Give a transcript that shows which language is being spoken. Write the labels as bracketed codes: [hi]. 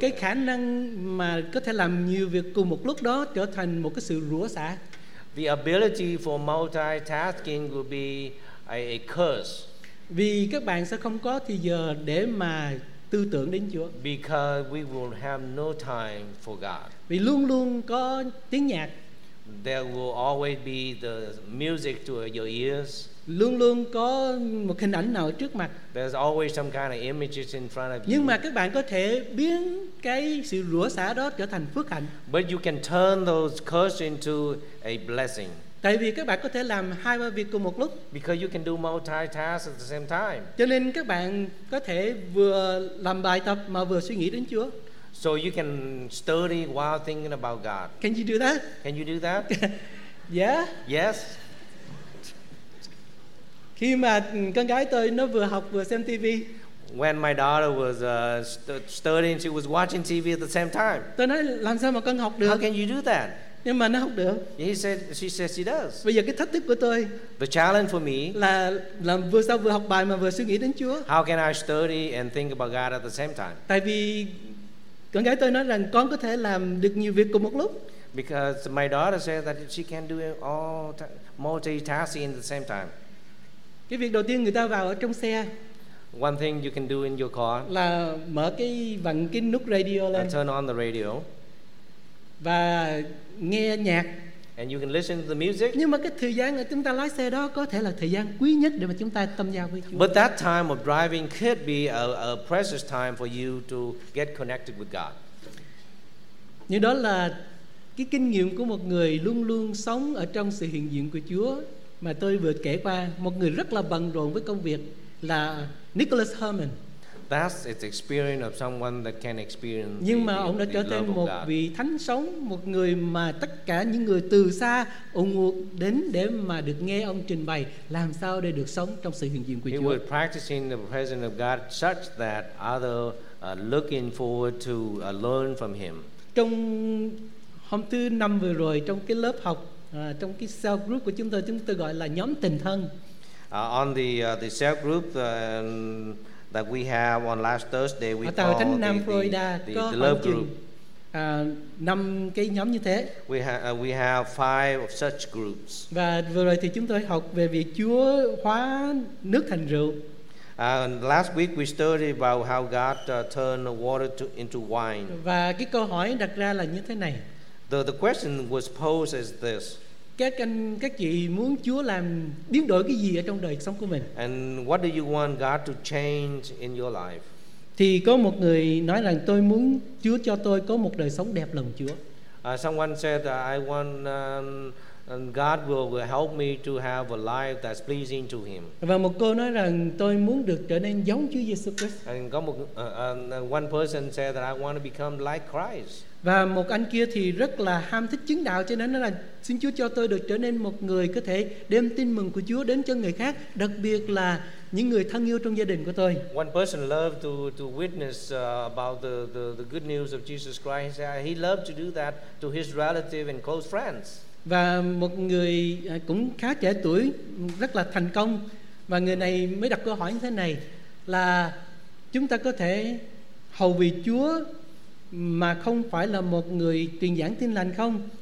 [vi] Cái khả năng mà có thể làm nhiều việc cùng một lúc đó trở thành một cái sự rủa xả. [en] The ability for multitasking will be a curse. [vi] Vì các bạn sẽ không có thời giờ để mà tư tưởng đến Chúa. [en] Because we will have no time for God. [vi] Vì luôn luôn có tiếng nhạc. [en] There will always be the music to your ears. [vi] Luôn luôn có một hình ảnh nào trước mặt. [en] There's always some kind of images in front of you. [vi] Nhưng mà các bạn có thể biến cái sự rủa xả đó trở thành phước hạnh. [en] But you can turn those curses into a blessing. [vi] Tại vì các bạn có thể làm hai ba việc cùng một lúc. [en] Because you can do multitasking at the same time. [vi] Cho nên các bạn có thể vừa làm bài tập mà vừa suy nghĩ đến Chúa. [en] So you can study while thinking about God. Can you do that? Can you do that? Yeah. Yes. [vi] Khi mà con gái tôi nó vừa học vừa xem TV. [en] When my daughter was studying, she was watching TV at the same time. [vi] Tôi nói làm sao mà con học được? [en] How can you do that? [vi] Nhưng mà nó học được. [en] She said she does. [vi] Bây giờ cái thách thức của tôi. [en] The challenge for me. [vi] Là làm vừa sao vừa học bài mà vừa suy nghĩ đến Chúa. [en] How can I study and think about God at the same time? [vi] Tại vì con gái tôi nói rằng con có thể làm được nhiều việc cùng một lúc. [en] Because my daughter said that she can do all multitasking at the same time. [vi] Cái việc đầu tiên người ta vào ở trong xe. [en] One thing you can do in your car. [vi] Là mở cái vặn cái nút radio lên. [en] And turn on the radio. [vi] Và nghe nhạc. [en] And you can listen to the music. [vi] Nhưng mà cái thời gian mà chúng ta lái xe đó có thể là thời gian quý nhất để mà chúng ta tâm giao với Chúa. [en] But that time of driving could be a precious time for you to get connected with God. [vi] Như đó là cái kinh nghiệm của một người luôn luôn sống ở trong sự hiện diện của Chúa mà tôi vừa kể qua, một người rất là bận rộn với công việc là Nicholas Hermann. [en] That's its experience of someone that can experience. [vi] Nhưng mà ông đã trở thành một vị thánh sống, một người mà tất cả những người từ xa ùn ùn đến để mà được nghe ông trình bày làm sao để được sống trong sự hiện diện của Chúa. [en] He was practicing the presence of God such that others looking forward to learn from him. [vi] Trong Hôm thứ năm vừa rồi trong cái lớp học trong cái cell group của chúng tôi gọi là nhóm tình thân. [en] On the cell group that we have on last Thursday, we call Thánh Nam Florida the love group. [vi] Năm cái nhóm như thế. [en] We have five of such groups. [vi] Và vừa rồi thì chúng tôi học về việc Chúa hóa nước thành rượu. [en] Last week we studied about how God turned water into wine. [vi] Và cái câu hỏi đặt ra là như thế này. [en] The question was posed as this. [vi] Các chị muốn Chúa làm biến đổi cái gì ở trong đời sống của mình? [en] And what do you want God to change in your life? [vi] Thì có một người nói rằng tôi muốn Chúa cho tôi có một đời sống đẹp lòng Chúa. [en] Someone said that I want and God will help me to have a life that's pleasing to Him. [vi] Và một cô nói rằng tôi muốn được trở nên giống Chúa Jesus Christ. [en] And [vi] có một [en] one person said that I want to become like Christ. [vi] Và một anh kia thì rất là ham thích chứng đạo, cho nên nói là xin Chúa cho tôi được trở nên một người có thể đem tin mừng của Chúa đến cho người khác, đặc biệt là những người thân yêu trong gia đình của tôi. [en] One person loved to witness about the good news of Jesus Christ. He loved to do that to his relative and close friends. [vi] Và một người cũng khá trẻ tuổi, rất là thành công. Và người này mới đặt câu hỏi như thế này, là chúng ta có thể hầu vì Chúa mà không phải là một người truyền giảng tin lành không?